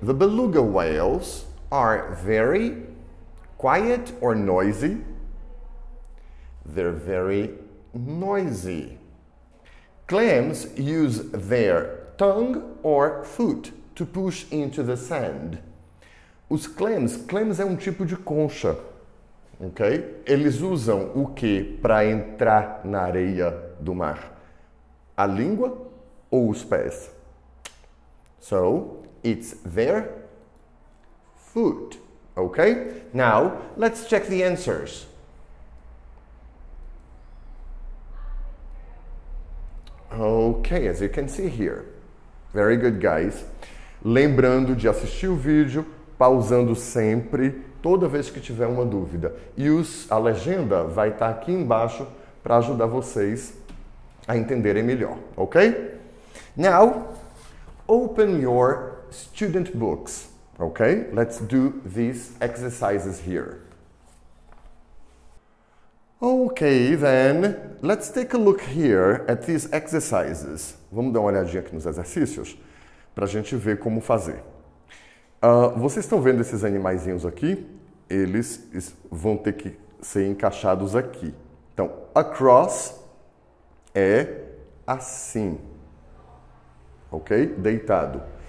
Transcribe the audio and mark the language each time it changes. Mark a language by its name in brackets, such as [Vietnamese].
[English] The beluga whales are very quiet or noisy? They're very noisy. Clams use their tongue or foot to push into the sand. [Portuguese] Os clams, clams é um tipo de concha, ok? Eles usam o que para entrar na areia do mar? A língua ou os pés? [English] So, it's their foot. Okay, now let's check the answers. Okay, as you can see here. Very good, guys. [Portuguese] Lembrando de assistir o vídeo, pausando sempre, toda vez que tiver uma dúvida. E a legenda vai estar aqui embaixo para ajudar vocês a entenderem melhor. [English] Okay? Now, open your student books. Okay, let's do these exercises here. Okay, then, let's take a look here at these exercises. [Portuguese] Vamos dar uma olhadinha aqui nos exercícios para a gente ver como fazer. Vocês estão vendo esses animaizinhos aqui? Eles vão ter que ser encaixados aqui. Então, across é assim, ok? Deitado.